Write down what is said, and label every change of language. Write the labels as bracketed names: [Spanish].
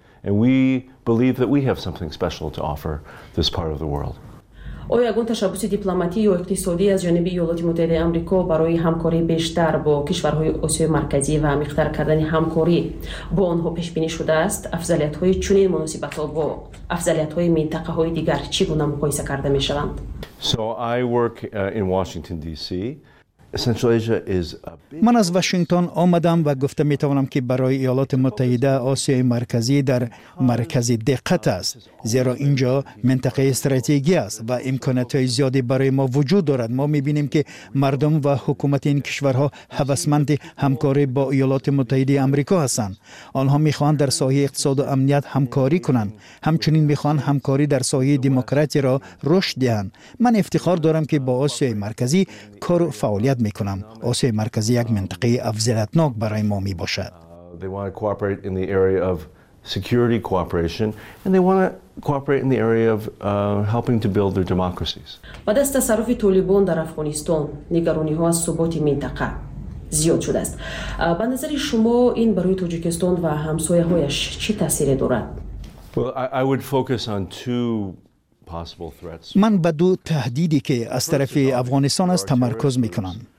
[English] And we believe that we have something special to offer this part of the world. [Persian] آیا گونه تشابهی دیپلماتیک یا اقتصادی از جانب ایالات متحده آمریکا برای همکاری بیشتر با کشورهای آسیای مرکزی و عمیق‌تر کردن همکاری با آنها پیش بینی شده است؟ افضلیت‌های چنین مناسبت‌ها با افضلیت‌های منطقه‌های دیگر چگونه مقایسه کرده می‌شوند؟ [English] So I work in Washington DC. Central Asia is a big. [Persian] من از واشنگتن آمدم و گفته می توانم که برای ایالات متحده آسیای مرکزی در مرکز دقت است، زیرا اینجا منطقه استراتژی است و امکانات زیادی برای ما وجود دارد. ما می بینیم که مردم و حکومت این کشورها هوسمند همکاری با ایالات متحده آمریکا هستند. آنها می خواهند در سایه اقتصاد و امنیت همکاری کنند، همچنین می خواهند همکاری در سایه دموکراسی را رشد دهند. من افتخار دارم که با آسیای مرکزی کار و فعالیت میکنم. آسیای مرکزی یک منطقه افضلیتناک برای ما می باشد. [English] They want to cooperate in the area of security cooperation and they want to cooperate in the area of helping to build their democracies. [Persian] بعد از تصرف طالبان در افغانستان نگرانی ها از ثبات منطقه زیاد شده است. به نظر شما این برای تاجیکستان و همسایه هایش چی تاثیر دارد؟ [English] Well, I would focus on two [Persian] من به دو تهدیدی که از طرف افغانستان است تمرکز میکنم.